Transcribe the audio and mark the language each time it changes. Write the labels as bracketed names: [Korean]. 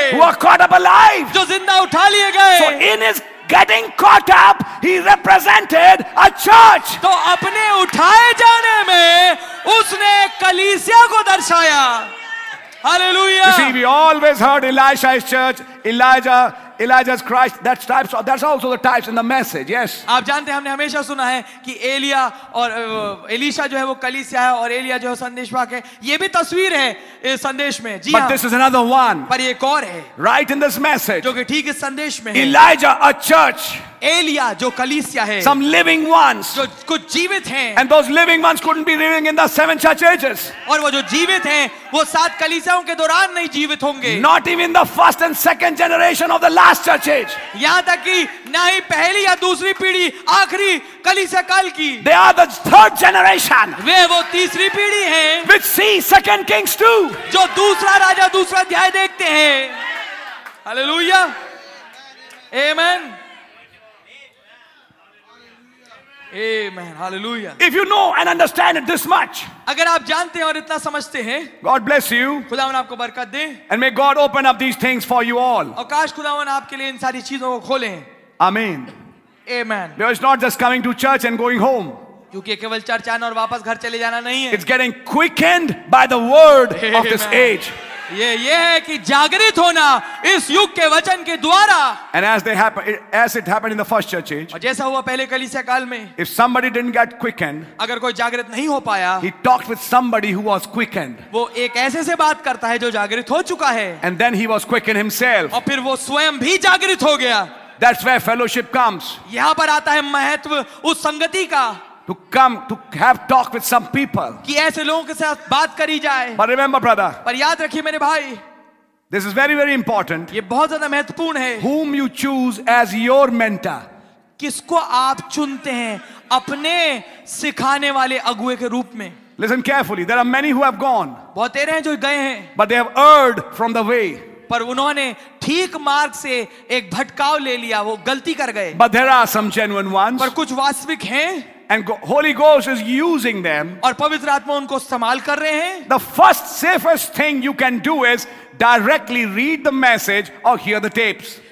[English] Who are caught up alive. [Hindi] जो जिंदा उठा लिए गए. [English] So in his getting caught up, he represented a church. [Hindi] तो अपने उठाए जाने में उसने कलीसिया को दर्शाया. [English] Hallelujah. You see, we always heard Elisha's church, Elijah, Elijah's Christ. That's types. That's also the types in the message. Yes. [Hindi] आप जानते हैं हमने हमेशा सुना है कि एलिया और एलिशा जो है वो कलीसिया है और एलिया जो है संदेशवाक है. ये भी तस्वीर है इस संदेश में. जी [English] हाँ. But this is another one. [Hindi] पर ये एक और है. [English] Right in this message. [Hindi] जो कि ठीक इस संदेश में. [English] Elijah, a church. [Hindi] एलिया जो कलीसिया है. [English] Some living ones. [Hindi] जो कुछ जीवित हैं. [English] And those living ones couldn't be living in the seven church ages. [Hindi] और वो जो जीवित हैं वो सात कलीसियाओं के दौरान नहीं जीवित होंगे. [English] Not even the first and second generation of the last church age. [Hindi] यहाँ तक कि ना ही पहली या दूसरी पीढ़ी आखिरी कलीसिया काल की. [English] They are the third generation. [Hindi] वे वो तीसरी पीढ़ी हैं. [English] Which see 2 Kings 2. [Hindi] जो दूसरा राजा दूसरा अध्याय देखते हैं. Hallelujah. Amen. [English] Amen. Hallelujah. If you know and understand it this much, [Hindi] अगर आप जानते हैं और इतना समझते हैं, [English] God bless you. [Hindi] खुदावन आपको बरकत दे. [English] And may God open up these things for you all. [Hindi] और काश खुदावन आपके लिए इन सारी चीजों को खोलें. [English] Amen. Amen. Because it's not just coming to church and going home. [Hindi] क्योंकि केवल चर्च आना और वापस घर चले जाना नहीं है. [English] It's getting quickened by the word of this age. [Hindi] ये है कि जागृत होना इस युग के वचन के द्वारा. [English] And as they happen, as it happened in the first church age. [Hindi] और जैसा हुआ पहले कलीसिया काल में. [English] If somebody didn't get quickened. [Hindi] अगर कोई जागृत नहीं हो पाया. [English] He talked with somebody who was quickened. [Hindi] वो एक ऐसे से बात करता है जो जागृत हो चुका है. [English] And then he was quickened himself. [Hindi] और फिर वो स्वयं भी जागृत हो गया. [English] That's where fellowship comes. [Hindi] यहाँ पर आता है महत्व उस संगति का. [English] To come to have talk with some people. [Hindi] कि ऐसे लोगों के साथ बात करी जाए. [English] But remember, brother. [Hindi] पर याद रखिए मेरे भाई. [English] This is very, very important. [Hindi] ये बहुत ज़्यादा महत्वपूर्ण है. [English] Whom you choose as your mentor. [Hindi] किसको आप चुनते हैं अपने सिखाने वाले अगुए के रूप में. [English] Listen carefully. There are many who have gone. [Hindi] बहुत तेरे हैं जो गए हैं. [English] But they have erred from the way. [Hindi] पर उन्होंने ठीक मार्ग से एक भटकाव ले लिया, वो गलती कर गए. [English] But there are some genuine ones. [Hindi] पर कुछ वास्तविक हैं. [English] And Holy Ghost is using them. [Hindi] और पवित्र आत्मा उनको इस्तेमाल कर रहे हैं. [English] The first safest thing you can do is directly read the message or hear the tapes.